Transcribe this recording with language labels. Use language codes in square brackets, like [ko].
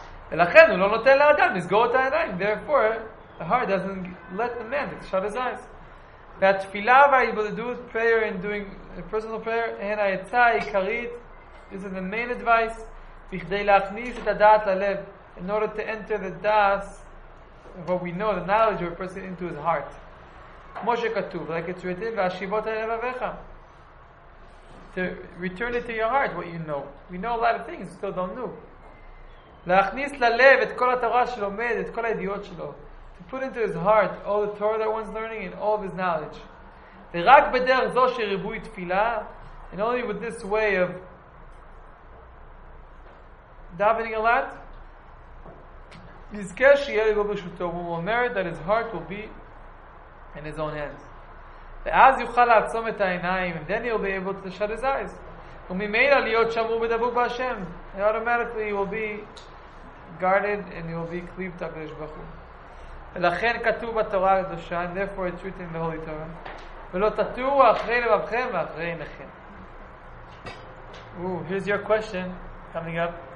[he] ולכן הוא לא נותן לאדם לסגור את העיניים. [en] Therefore, the heart doesn't let the man shut his eyes. [he] והתפילה וההתבודדות, [en] prayer and doing a personal prayer, [he] הן העצה העיקרית, [en] this is the main advice, [he] בכדי להכניס את הדעת ללב, [en] in order to enter the das, what we know, the knowledge of a person into his heart. [he] כמו שכתוב, [en] like it's written, [he] והשיבות אל לבביך. [en] To return it to your heart, what you know. We know a lot of things, still don't know. [he] להכניס ללב את כל התורה שלומד, את כל הידיעות שלו. [en] To put into his heart all the Torah that one's learning and all of his knowledge. [he] ורק בדרך זו שריבוי תפילה, [en] and only with this way of davening a lot, [he] נזכה שיהיה לגבו ברשותו, והוא אומר [en] that his heart will be in his own hands. [he] ואז יוכל לעצום את העיניים, [en] and then he'll be able to shut his eyes. [he] וממילא להיות שמור בדבוק בהשם. [en] And automatically he will be guarded and he will be cleaved up לקדוש ברוך הוא. [he] ולכן כתוב בתורה הקדושה, [en] and therefore it's written in the Holy Torah, [he] ולא תטורו אחרי לבבכם ואחרי עיניכם. [en] Here's your question coming up.